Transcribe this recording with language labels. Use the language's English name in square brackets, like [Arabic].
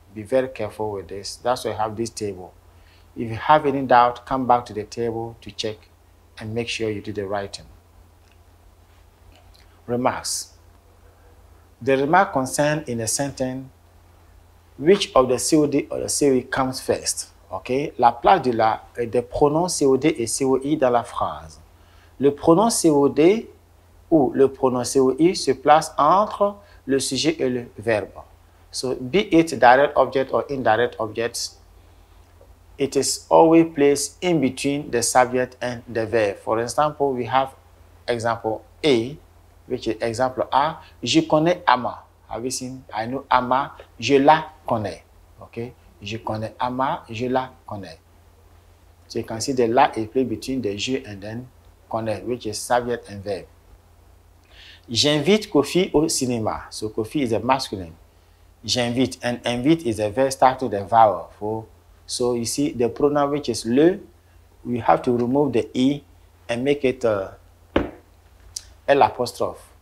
[English] Be very careful with this. That's why I have this table. If you have any doubt, come back to the table to check and make sure you do the writing. Remarks. The remark concerned in a sentence, which of the COD or the COE comes first? Okay. [French] La place de la des pronoms COD et COI dans la phrase. Le pronom COD ou le pronom COI se place entre le sujet et le verbe. [English] So, be it direct object or indirect object, it is always placed in between the subject and the verb. For example, we have example A, which is example A. [French] Je connais Ama. [English] Have you seen? I know Ama. [French] Je la connais. Okay? Je connais Ama. Je la connais. [English] So you can see the la is played between the je and then connaître, which is subject and verb. [French] J'invite Kofi au cinéma. [English] So Kofi is a masculine. J'invite, and invite is a verb start with a vowel. So you see the pronoun which is le, we have to remove the e and make it l'apostrophe.